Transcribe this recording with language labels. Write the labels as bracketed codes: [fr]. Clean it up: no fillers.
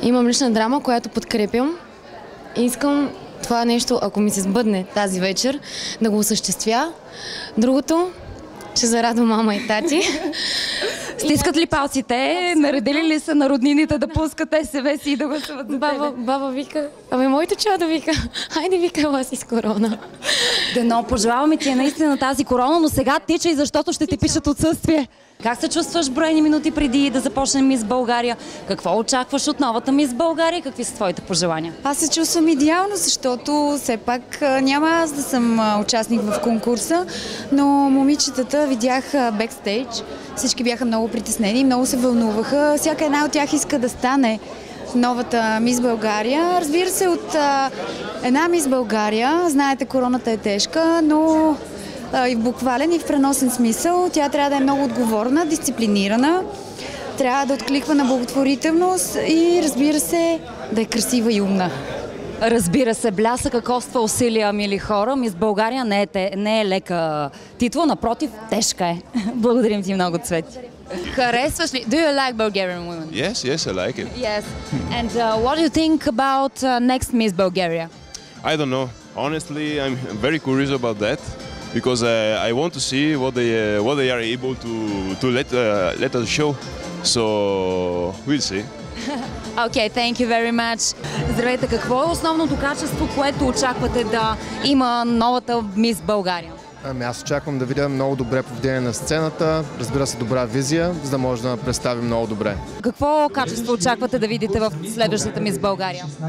[bg] Имам лична драма, която подкрепям. Искам това нещо, ако ми се сбъдне тази вечер, да го осъществя. Другото, че зарадва мама и тати. Стискат ли палците? Абсолютно. Наредили ли са на роднините да пускат СВ си и да гласуват за баба, тебе? Баба вика, ами моето чадо вика, хайде вика вас из корона. Дано, пожелаваме ти е наистина тази корона, но сега тичай, защото ще ти пишат отсъствие. Как се чувстваш броени минути преди да започнем Мис България? Какво очакваш от новата Мис България? Какви са твоите пожелания? Аз се чувствам идеално, защото все пак няма аз да съм участник в конкурса, но момичетата видях бекстейдж. Всички бяха много притеснени, много се вълнуваха. Всяка една от тях иска да стане новата Мис България. Разбира се, от една Мис България, знаете, короната е тежка, но и в буквален, и в преносен смисъл. Тя трябва да е много отговорна, дисциплинирана, трябва да откликва на благотворителност и, разбира се, да е красива и умна. Разбира се, блясъка коства усилия, мили хора. Мис България не е лека титла, напротив, тежка е. Благодарим ти много, Цвети. Харесваш ли? [en] Do you like Bulgarian women? Yes, I like it. Yes. And what do you think about next Miss Bulgaria? I don't know. Honestly, I'm very curious about that. Because I want to see what they are able to let us show. So we'll see. Okay, thank you very much. [bg] Здравейте, какво е основното качество, което очаквате да има новата Мис България? Ами аз очаквам да видя много добре поведение на сцената, разбира се, добра визия, за да може да представим много добре. Какво качество очаквате да видите в следващата Мис България?